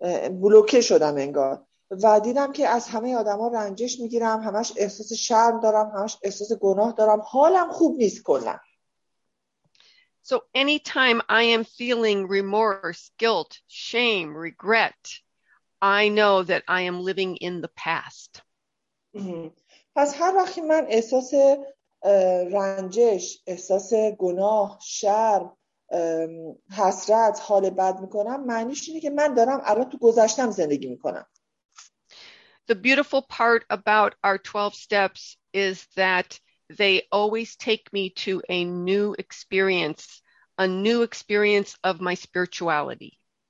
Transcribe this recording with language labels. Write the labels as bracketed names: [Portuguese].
[Persian] بلوکه شدم انگار و دیدم که از همه آدم ها رنجش میگیرم، همش احساس شرم دارم، همش احساس گناه دارم، حالم خوب نیست کلن. [English] So anytime I am feeling remorse, guilt, shame, regret, I know that I am living in the past. [Persian] پس هر وقتی من احساس رنجش، احساس گناه، شرم، حسرت، حال بد میکنم، معنیش اینه که من دارم الان تو گذشتم زندگی میکنم. [English] The beautiful part about our 12 steps is that they always take me to a new experience of my spirituality.